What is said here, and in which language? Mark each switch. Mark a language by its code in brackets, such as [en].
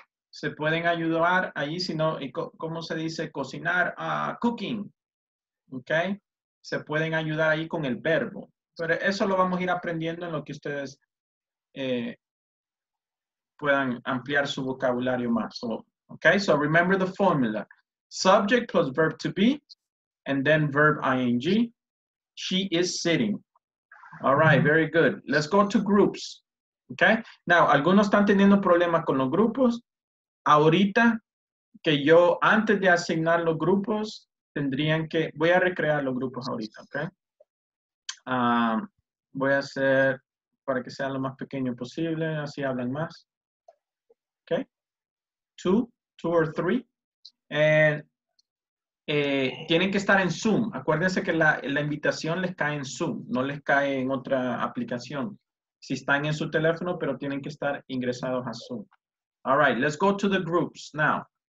[es] Se pueden ayudar allí, si no, ¿cómo se dice? Cocinar, cooking, okay? Se pueden ayudar ahí con el verbo. Pero eso lo vamos a ir aprendiendo en lo que ustedes puedan ampliar su vocabulario más. [en] So, okay, so remember the formula. Subject plus verb to be, and then verb ing. She is sitting. All right, very good. Let's go to groups. [es] Okay, now, algunos están teniendo problemas con los grupos. Ahorita, que yo, antes de asignar los grupos, tendrían que, voy a recrear los grupos ahorita, okay? Voy a hacer, para que sea lo más pequeño posible, así hablan más. [en] Okay, two or three. And [es] tienen que estar en Zoom. Acuérdense que la invitación les cae en Zoom, no les cae en otra aplicación. Si están en su teléfono, pero tienen que estar ingresados a Zoom. [en] All right, let's go to the groups now.